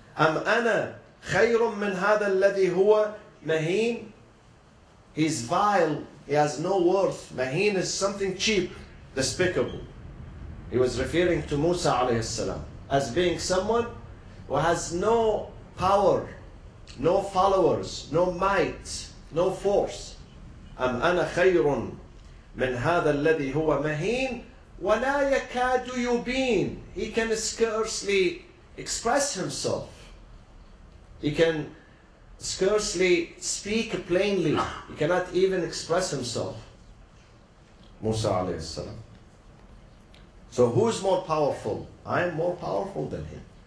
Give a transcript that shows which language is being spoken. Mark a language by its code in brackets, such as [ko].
[ar] Am ana khayrun min hadha alladhi huwa maheen? [en] He's vile. He has no worth. Maheen is something cheap, despicable. He was referring to Musa alayhi salam as being someone who has no power, no followers, no might, no force. [ar] Am ana khayrun من هذا الذي هو مهين ولا يكاد يبين. [en] He can scarcely express himself. He can scarcely speak plainly. He cannot even express himself. Musa عليه السلام. So who is more powerful? I am more powerful than him.